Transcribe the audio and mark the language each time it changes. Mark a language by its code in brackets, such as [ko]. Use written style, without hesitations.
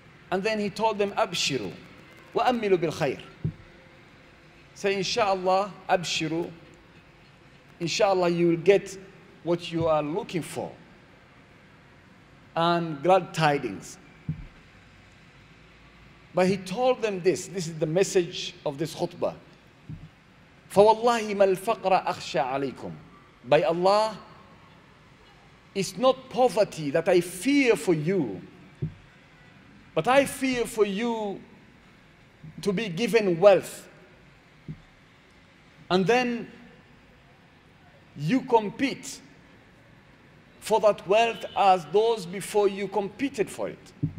[en] And then he told them, [ar] Abshiru wa ammilu bil khair. [en] Say, inshallah, Abshiru, inshallah, you will get what you are looking for. And glad tidings. But he told them this. This is the message of this khutbah. [ar] فوالله ما الفقر أخشى عليكم. [en] By Allah, it's not poverty that I fear for you, but I fear for you to be given wealth. And then you compete for that wealth as those before you competed for it.